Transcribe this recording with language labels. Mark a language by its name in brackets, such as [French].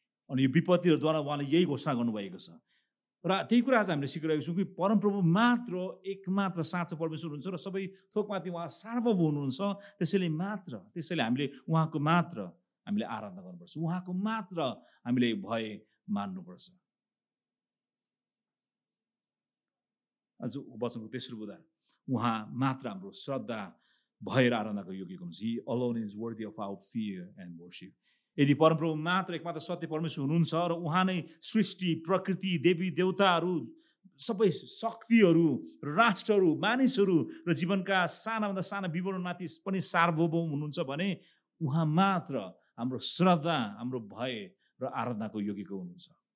[Nepali] अनि यो विपत्तिहरूद्वारा उहाँले यही घोषणा गर्नुभएको छ, र त्यही कुरा आज हामीले सिकिरहेको छौँ कि परमप्रभु मात्र एकमात्र साँचो परमेश्वर हुनुहुन्छ र सबै थोकमाथि उहाँ सार्वभौम हुनुहुन्छ। त्यसैले हामीले उहाँको मात्र हामीले आराधना गर्नुपर्छ, उहाँको मात्र हामीले भय मान्नुपर्छ। आज वचनको तेस्रो बुदा, उहाँ मात्र हाम्रो श्रद्धा भएर आराधनाको योग्यको हुन्छ। [English] He alone is worthy of our fear and worship. [Nepali] यदि परमप्रभु मात्र एकमात्र सत्य परमेश्वर हुनुहुन्छ र उहाँ नै सृष्टि प्रकृति देवी देवताहरू सबै शक्तिहरू राष्ट्रहरू मानिसहरू र जीवनका सानाभन्दा साना विवरणमाथि पनि सार्वभौम हुनुहुन्छ भने उहाँ मात्र हाम्रो श्रद्धा हाम्रो भय र आराधनाको योग्यको हुनुहुन्छ।